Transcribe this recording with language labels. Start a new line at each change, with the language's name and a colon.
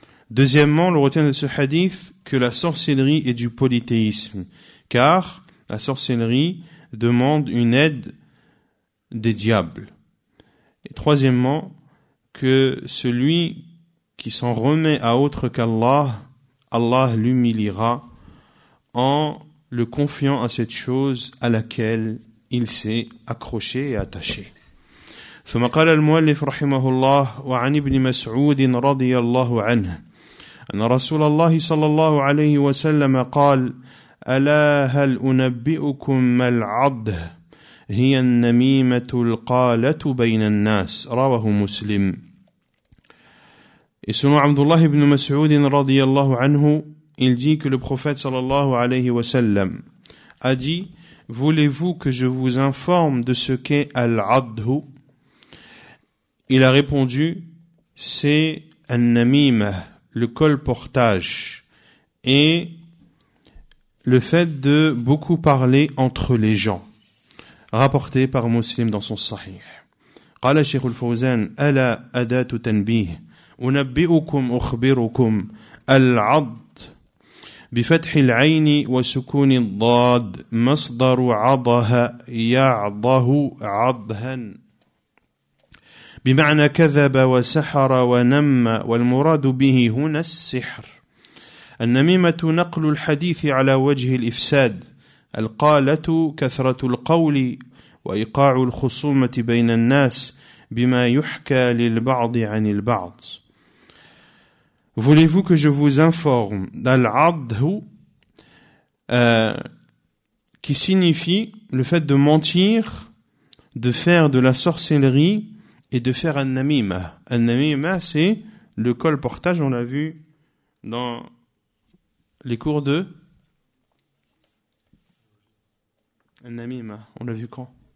French: Deuxièmement, on retient de ce hadith que la sorcellerie est du polythéisme, car la sorcellerie demande une aide des diables. Et troisièmement, que celui qui s'en remet à autre qu'Allah, Allah l'humiliera en le confiant à cette chose à laquelle il s'est accroché et attaché.
Arabic: ثم قال المؤلف رحمه الله وعن ابن مسعود رضي الله عنه أن رسول الله صلى الله عليه وسلم قال ألا هل أنبئكم ما العض هي النميمة القالة بين الناس رواه مسلم.
French: Et selon Abdullah ibn Mas'ud رضي الله عنه, il dit que le prophète صلى الله عليه وسلم a dit: voulez-vous que je vous informe de ce qu'est العض؟ Il a répondu: c'est an-namima, le colportage, et le fait de beaucoup parler entre les gens, rapporté par Muslim dans son Sahih.
Arabic: Qala Sheikh al-Fawzan: ala adatu tanbih, unabbi'ukum ukhbirukum al-'ad bi fathi al-'ayn wa sukun ad-dad masdar 'adaha ya'dahu 'adhan بمعنى كذب وسحر ونم والمراد به هنا السحر. النميمة نقل الحديث على وجه الإفساد. القالة كثرة القول وإيقاع الخصومة بين الناس بما يحكى للبعض عن البعض.
French: Voulez-vous que je vous informe d'al-adhu, qui signifie le fait de mentir, de faire de la sorcellerie et de faire an-namima. An-namima, c'est le colportage, on l'a vu dans les cours de an-namima. On l'a vu quand?